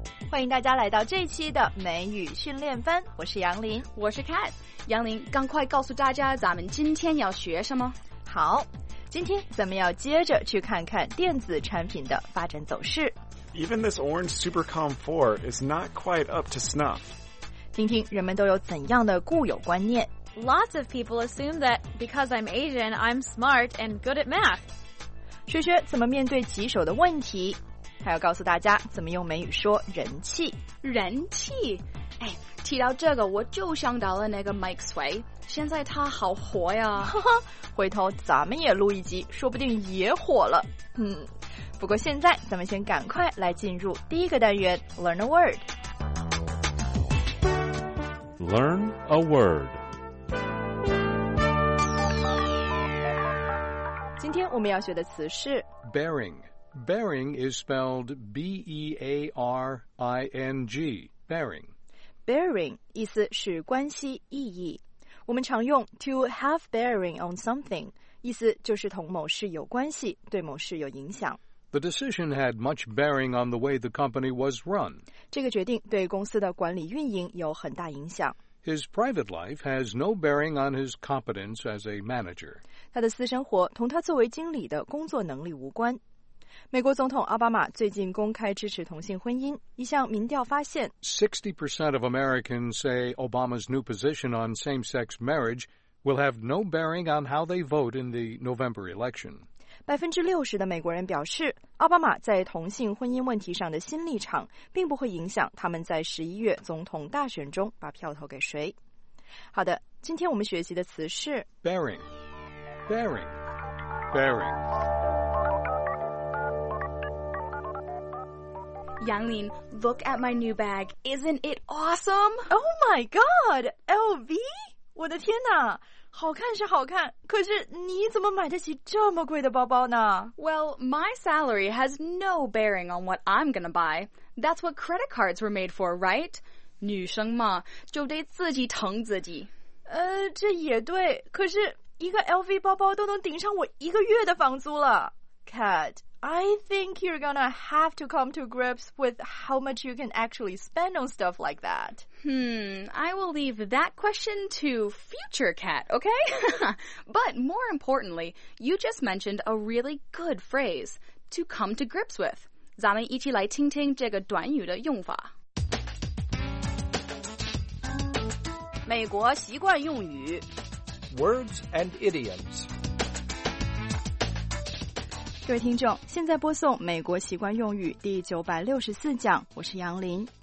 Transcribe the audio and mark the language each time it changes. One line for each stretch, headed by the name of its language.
Chinese: 欢迎大家来到这一期的美语训练班，我是杨林，我是 Kat。杨林，赶快告诉大家咱们今天要学什么。好，今天咱们要接着去看看电子产品的发展走势。
English: Even this orange Supercom 4 is not quite up to snuff.
Chinese: 听听人们都有怎样的固有观念。
English: Lots of people assume that because I'm Asian, I'm smart and good at math.
Chinese: 学学怎么面对棘手的问题，还要告诉大家怎么用美语说人气。人气，哎，提到这个我就想到了那个 Mike Sway， 现在他好火呀。呵呵，回头咱们也录一集，说不定也火了。不过现在咱们先赶快来进入第一个单元
English: Learn a Word。 Learn a Word。
Chinese: 今天我们要学的词是
English: Bearing。 Bearing is spelled B-E-A-R-I-N-G. Bearing.
Chinese: Bearing 意思是关系、意义。我们常用
English: to have bearing on something，
Chinese: 意思就是同某事有关系，对某事有影响。
English: The decision had much bearing on the way the company was run.
Chinese: 这个决定对公司的管理运营有很大影响。
English: His private life has no bearing on his competence as a manager.
Chinese: 他的私生活同他作为经理的工作能力无关。美国总统奥巴马最近公开支持同性婚姻。一项民调发现
English: 60% of Americans say Obama's new position on same-sex marriage will have no bearing on how they vote in the November election.
Chinese: 60% 的美国人表示奥巴马在同性婚姻问题上的新立场并不会影响他们在11月总统大选中把票投给谁。好的，今天我们学习的词是
English: bearing, bearing, bearing。杨林, look at my new bag. Isn't it awesome? Oh my god! LV?
Chinese: 我的天哪，好看是好看，可是你怎么买得起这么贵的包包呢？
English: Well, my salary has no bearing on what I'm gonna buy. That's what credit cards were made for, right?
Chinese: 女生嘛，就得自己疼自己。这也对，可是一个 LV 包包都能顶上我一个月的房租了。
English: Kat,I think you're gonna have to come to grips with how much you can actually spend on stuff like that. I will leave that question to future Kat, okay? But more importantly, you just mentioned a really good phrase, to come to grips with.
Chinese: 咱们一起来听听这个短语的用法。美国习惯用语。
English: Words and idioms.
Chinese: 各位听众，现在播送美国习惯用语第964讲，我是杨林。